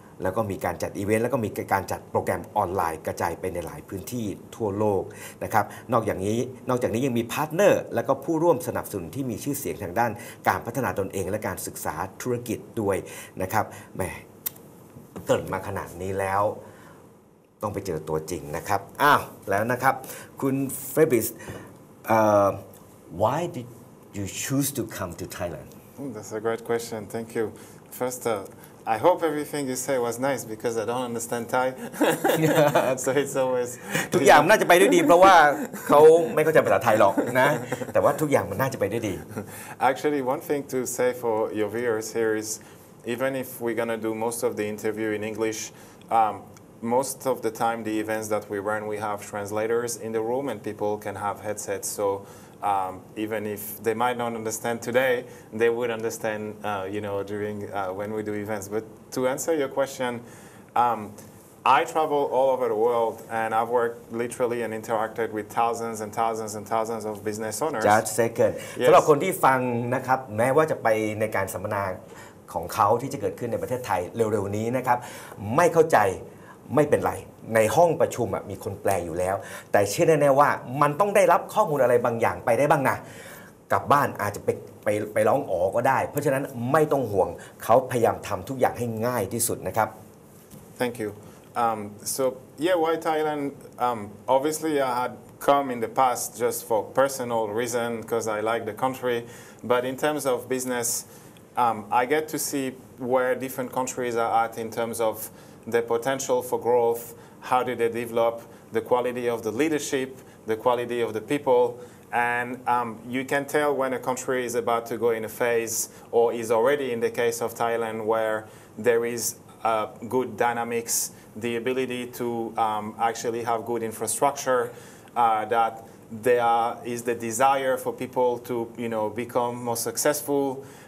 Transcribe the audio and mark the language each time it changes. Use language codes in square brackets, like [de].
[th] แล้วก็มีการจัดอีเวนต์แล้วก็มีการจัดโปรแกรมออนไลน์กระจายไปในหลายพื้นที่ทั่วโลกนะครับนอกจากนี้ยังมีพาร์ทเนอร์แล้วก็ผู้ร่วมสนับสนุนที่มีชื่อเสียงทางด้านการพัฒนาตนเองและการศึกษาธุรกิจด้วยนะครับแหมเกิดมาขนาดนี้แล้วต้องไปเจอตัวจริงนะครับอ้าวแล้วนะครับคุณเฟบิส [en] why did you choose to come to Thailand that's a great question thank you firstI hope everything you say was nice because I don't understand Thai. So it's always. [th] ทุกอย่างน่าจะไปด้วยดีเพราะว่าเขาไม่เข้าใจภาษาไทยหรอกนะแต่ว่าทุกอย่างมันน่าจะไปด้วยดี [en] Actually, one thing to say for your viewers here is, even if we're gonna do most of the interview in English, most of the time the events that we run, we have translators in the room and people can have headsets. So. Even if they might not understand today, they would understand, you know, during when we do events. But to answer your question, I travel all over the world, and I've worked literally and interacted with thousands and thousands and thousands of business owners. Just a second. [th] สำหรับคนที่ฟังนะครับแม้ว่าจะไปในการสัมมนาของเขาที่จะเกิดขึ้นในประเทศไทยเร็วๆนี้นะครับไม่เข้าใจไม่เป็นไรในห้องประชุมมีคนแปลอยู่แล้วแต่เชื่อแน่ๆว่ามันต้องได้รับข้อมูลอะไรบางอย่างไปได้บ้างนะกลับบ้านอาจจะไปร้องอ๋อก็ได้เพราะฉะนั้นไม่ต้องห่วงเขาพยายามทำทุกอย่างให้ง่ายที่สุดนะครับ [en] Thank you so yeah why Thailand obviously I had come in the past just for personal reason because I like the country but in terms of business I get to see where different countries are at in terms ofThe potential for growth, how do they develop, the quality of the leadership, the quality of the people, and you can tell when a country is about to go in a phase or is already in the case of Thailand where there is good dynamics, the ability to actually have good infrastructure, that there is the desire for people to you know, become more successful.